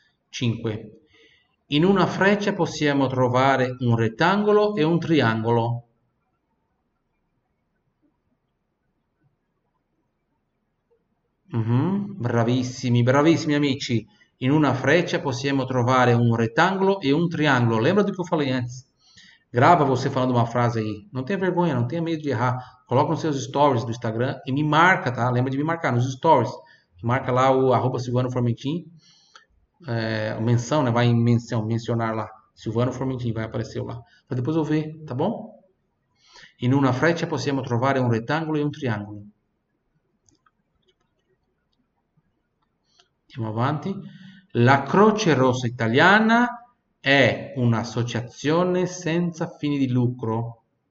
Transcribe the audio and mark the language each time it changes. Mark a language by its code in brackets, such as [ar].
[it] 5. In una freccia possiamo trovare un rettangolo e un triangolo. Bravissimi, bravissimi amici. In una freccia possiamo trovare un rettangolo e un triangolo. [pt] Lembra do che ho falato antes? Grava você falando uma frase aí. Não tenha vergonha, não tenha medo de errar. Coloca nos seus stories do Instagram e me marca, tá? Lembra de me marcar nos stories. Marca lá o arroba Silvano Formentin. Menção, né? Vai mencionar lá. Silvano Formentini vai aparecer lá. Pra depois eu ver, tá bom? [it] In una freccia possiamo trovare un retangolo e un triangolo. Andiamo avanti. La Croce Rossa Italiana è un'associazione senza fini di lucro.